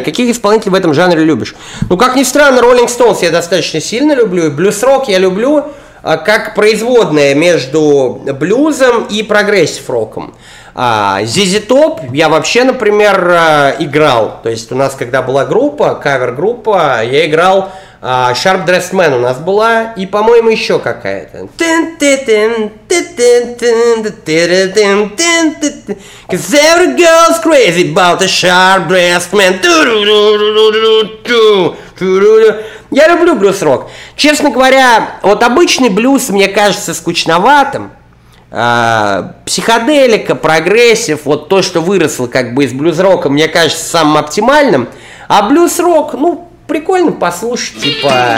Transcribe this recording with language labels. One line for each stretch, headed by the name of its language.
Russian: Каких исполнителей в этом жанре любишь? Ну, как ни странно, Rolling Stones я достаточно сильно люблю, и блюз-рок я люблю как производное между блюзом и прогрессив-роком. ZZ Top я вообще, например, играл, то есть у нас когда была группа, кавер-группа, я играл Sharp Dressed Man у нас была, и, по-моему, еще какая-то.
English: Cause every girl's crazy about a Sharp Dressed Man.
Russian: Я люблю блюз-рок. Честно говоря, вот обычный блюз мне кажется скучноватым. Психоделика, прогрессив, вот то, что выросло как бы из блюз-рока, мне кажется самым оптимальным. А блюз-рок, ну, прикольно послушать, типа...